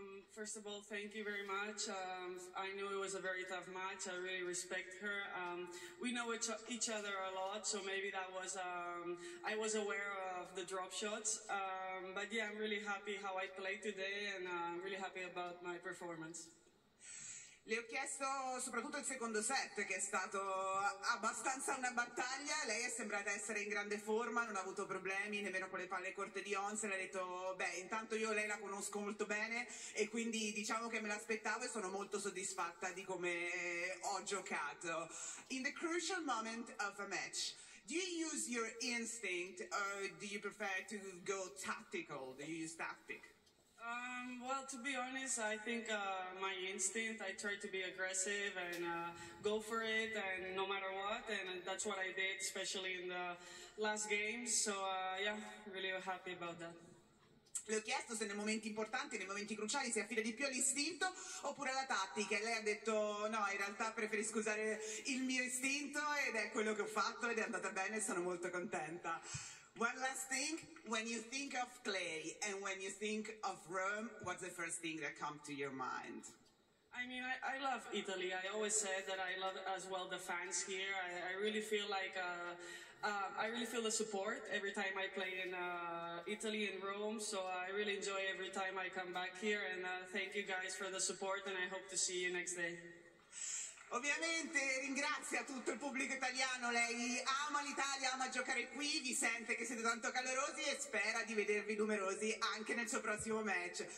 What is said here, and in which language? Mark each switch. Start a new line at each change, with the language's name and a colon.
English: First of all, thank you very much. I knew it was a very tough match. I really respect her. We know each other a lot, so maybe that was... I was aware of the drop shots. But yeah, I'm really happy how I played today, and I'm really happy about my performance.
Italian: Le ho chiesto soprattutto il secondo set, che è stato abbastanza una battaglia. Lei è sembrata essere in grande forma, non ha avuto problemi nemmeno con le palle corte di Ons. Le ha detto, beh, intanto io lei la conosco molto bene e quindi diciamo che me l'aspettavo e sono molto soddisfatta di come ho giocato.
English: In the crucial moment of a match, do you use your instinct or do you prefer to go tactical? Do you use tactic? Well, to be honest, I think my instinct, I try to be aggressive and go for it and no matter what, and that's what I did, especially in the last game, so yeah, really happy about that.
Italian: Le ho chiesto se nei momenti importanti, nei momenti cruciali, si affida di più all'istinto oppure alla tattica, e lei ha detto no, in realtà preferisco usare il mio istinto ed è quello che ho fatto ed è andata bene e sono molto contenta.
English: One last thing, when you think of clay and when you think of Rome, what's the first thing that comes to your mind? I mean, I love Italy. I always said that I love as well the fans here. I really feel like I really feel the support every time I play in Italy, in Rome. So I really enjoy every time I come back here. And thank you guys for the support, and I hope to see you next day.
Italian: Ovviamente ringrazia tutto il pubblico italiano, lei ama l'Italia, ama giocare qui, vi sente che siete tanto calorosi e spera di vedervi numerosi anche nel suo prossimo match.